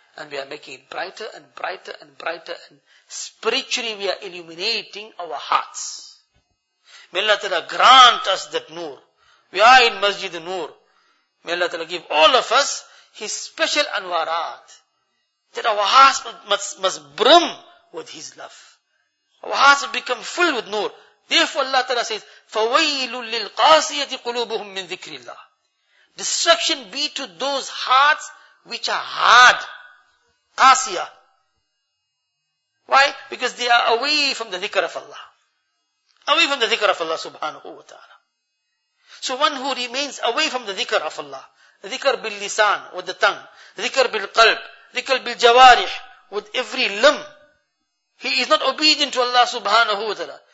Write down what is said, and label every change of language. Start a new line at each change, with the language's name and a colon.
English: And we are making it brighter and brighter and brighter. And spiritually we are illuminating our hearts. May Allah Ta'ala grant us that nur. We are in Masjid Nur. May Allah Ta'ala give all of us His special anwarat. That our hearts must brim with His love. Our hearts will become full with nur. Therefore Allah Ta'ala says,
Arabic: فَوَيْلٌ لِلْقَاسِيَةِ قُلُوبُهُمْ مِنْ ذِكْرِ اللَّهِ.
English: Destruction be to those hearts which are hard. Qasiya. Why? Because they are away from the dhikr of Allah. Away from the dhikr of Allah subhanahu wa ta'ala. So one who remains away from the dhikr of Allah, dhikr bil lisan, with the tongue, dhikr bil qalb, dhikr bil jawarih, with every limb, he is not obedient to Allah subhanahu wa ta'ala.